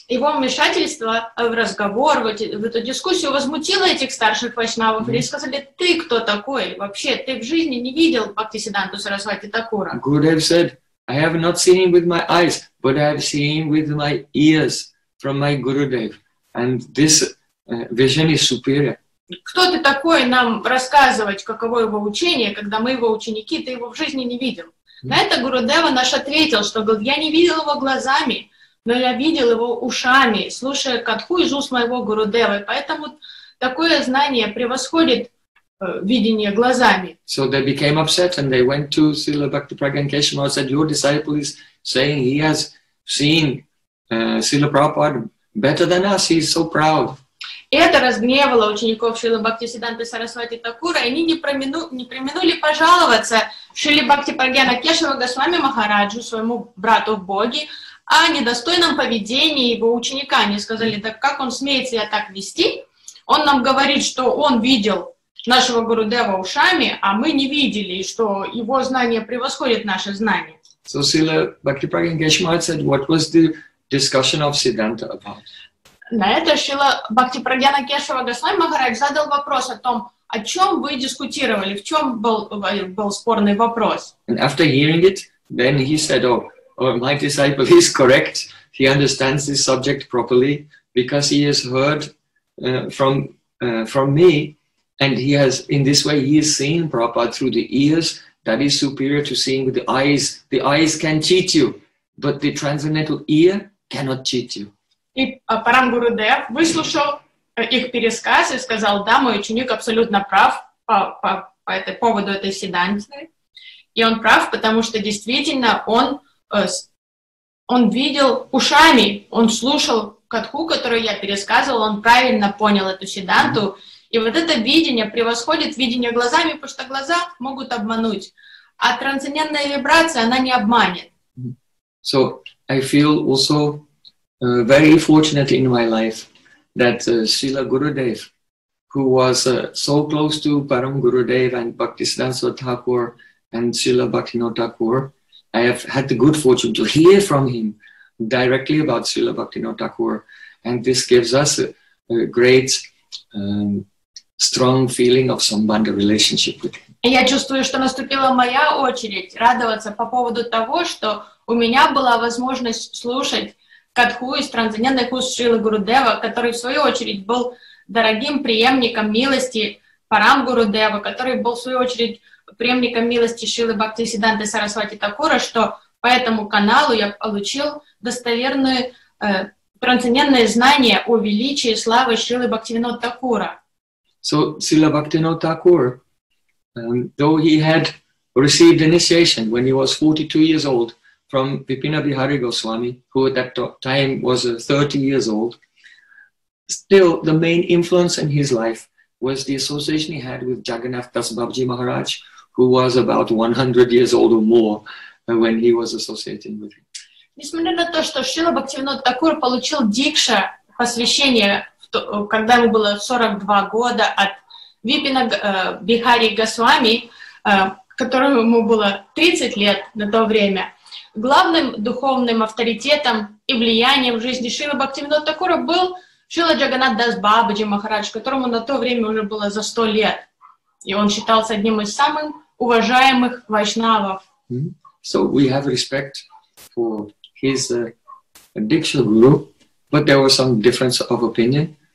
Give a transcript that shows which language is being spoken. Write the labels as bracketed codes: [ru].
[ru] Его вмешательство в разговор, в эту дискуссию возмутило этих старших вайшнавов. Mm-hmm. И сказали, ты кто такой? Вообще, ты в жизни не видел Бхактисиддханту Сарасвати Такура. [en] Гурудев said, I have not seen him with my eyes, but I have seen him with my ears from my Gurudev. And this vision is superior. [ru] Кто ты такой нам рассказывать, каково его учение, когда мы его ученики, ты его в жизни не видел? На это Гурудева наш ответил, что говорит, я не видел его глазами, но я видел его ушами, слушая катху из уст моего Гурудева. Поэтому такое знание превосходит видение глазами. [en] So they became upset and they went to Srila Bhaktipragyan Keshava and said, your disciple is saying he has seen Srila Prabhupada better than us, he's so proud. [ru] Это разгневало учеников Шрилы Бхактисиддханты Сарасвати Такура, и они не преминули пожаловаться Шриле Бхактипрагьяна Кешава Госвами Махараджу, своему брату в Боге, о недостойном поведении его ученика. Они сказали, так как он смеет себя так вести? Он нам говорит, что он видел нашего Гурудева ушами, а мы не видели, что его знание превосходит наше знание. [en] So Srila Bhaktipragyan Keshava said, what was the discussion of Siddhanta about? [ru] На это Шрила Бхактипрагьяна Кешава Госвами Махарадж задал вопрос о том, о чем вы дискутировали, в чем был спорный вопрос. [en] And after hearing it, then he said, oh, my disciple is correct. He understands this subject properly because he has heard from me, and he has in this way he has seen Prabhupada through the ears. That is superior to seeing with the eyes. The eyes can cheat you, but the transcendental ear cannot cheat you. [ru] И Парам Гурудев выслушал их пересказ и сказал, да, мой ученик абсолютно прав по этому поводу этой седанции. И он прав, потому что действительно он видел ушами, он слушал катху, которую я пересказывал, он правильно понял эту седанту. И вот это видение превосходит видение глазами, потому что глаза могут обмануть. А трансцендентная вибрация, она не обманет. [en] So, I feel also very fortunate in my life that Srila Gurudev, who was so close to Param Gurudev and Bhaktisiddhanta Thakur and Srila Bhaktivinoda Thakur, I have had the good fortune to hear from him directly about Srila Bhaktivinoda Thakur, and this gives us a great strong feeling of sambandha relationship with him. [ru] Я чувствую, что наступила моя очередь радоваться по поводу того, что у меня была возможность слушать катху из трансцендентных уст Шрилы Гурудева, который, в свою очередь, был дорогим преемником милости Парам Гурудева, который был, в свою очередь, преемником милости Шрилы Бхактисиддханты Сарасвати Такура, что по этому каналу я получил достоверное трансцендентное знание о величии и славе Шрилы Бхактивинода Такура. [en] So, Srila Bhaktivinoda Thakur, though he had received initiation when he was 42 years old, from Vipina Bihari Goswami, who at that time was 30 years old, still the main influence in his life was the association he had with Jagannath Das Babaji Maharaj, who was about 100 years old or more when he was associating with him. [ru] Несмотря на то, что Шрила Бхактивинода Такур получил дикша, посвящение, когда ему было 42 года, от Випина Бихари Госвами, которому ему было 30 лет на то время, главным духовным авторитетом и влиянием в жизни Шрилы Бхактивинода Такура был Шрила Джаганнат Дас Бабаджи Махарадж, которому на то время уже было за 100 лет. И он считался одним из самых уважаемых вайшнавов. Mm-hmm. [en] So we have respect for his diksha guru, but there was some difference of opinion.